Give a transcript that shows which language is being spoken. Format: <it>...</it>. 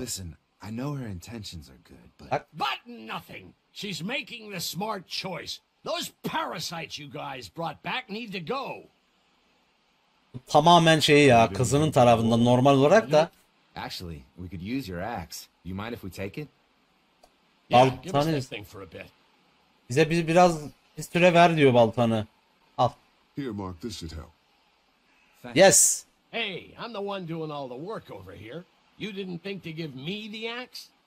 <en>Listen, I know her intentions are good, but... But nothing. She's making the smart choice. Those parasites you guys brought back need to go.</en> <tr>Tamamen şey ya, kızının tarafında normal olarak da.</tr> <en>Actually, we could use your axe. Do you mind if we take it?</en> <tr>Baltanı.</tr> <en>Yeah, give us this thing for a bit.</en> <tr>Bize biraz bir süre ver diyor baltanı. Al.</tr> <en>Here, Mark, this should help. Yes. Hey, I'm the one doing all the work over here. You didn't think to give me the axe?</en>